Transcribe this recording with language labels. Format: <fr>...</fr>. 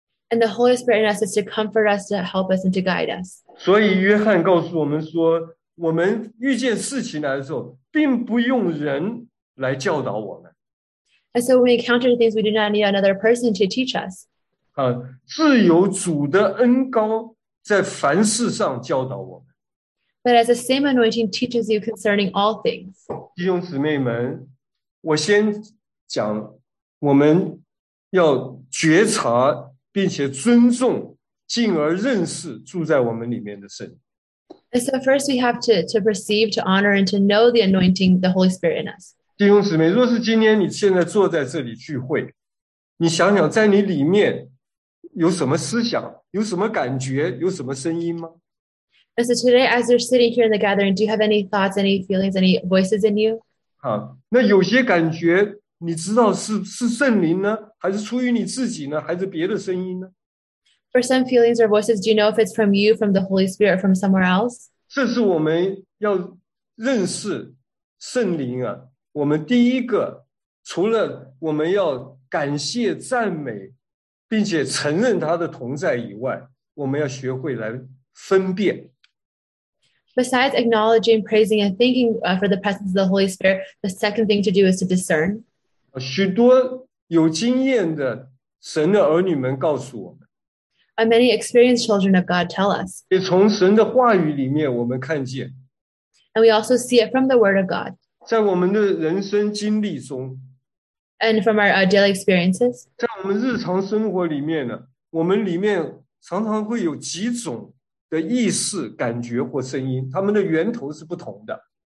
<en>And the Holy Spirit in us is to comfort us, to help us, and to guide us.</en> <zh>所以约翰告诉我们说，我们遇见事情来的时候，并不用人来教导我们。</zh> <en>And so when we encounter things, we do not need another person to teach us.</en> <zh>自有主的恩膏在凡事上教导我们。</zh> <en>But as the same anointing teaches you concerning all things.</en> <zh>弟兄姊妹们，我先讲，我们要觉察并且尊重，进而认识住在我们里面的圣灵。</zh> <en>And so first we have to perceive, to honor, and to know the anointing, the Holy Spirit in us.</en> <zh>弟兄姊妹，若是今天你现在坐在这里聚会，你想想在你里面有什么思想，有什么感觉，有什么声音吗？</zh> <en>And so today, as you're sitting here in the gathering, do you have any thoughts, any feelings, any voices in you?</en> <zh>那有些感觉你知道是圣灵呢，还是出于你自己呢，还是别的声音呢？</zh> <en>For some feelings or voices, do you know if it's from you, from the Holy Spirit, or from somewhere else?</en> <zh>这是我们要认识圣灵啊。我们第一个，除了我们要感谢、赞美，并且承认他的同在以外，我们要学会来分辨。</zh> <en>Besides acknowledging, praising, and thanking for the presence of the Holy Spirit, the second thing to do is to discern.</en> <zh>许多有经验的神的儿女们告诉我们。</zh> <en>And many experienced children of God tell us.</en> <zh>也从神的话语里面我们看见。</zh> <en>And we also see it from the word of God.</en> <zh>在我们的人生经历中。</zh> <en>And from our daily experiences.</en> <zh>在我们日常生活里面呢，我们里面常常会有几种的意识、感觉或声音，它们的源头是不同的。</zh>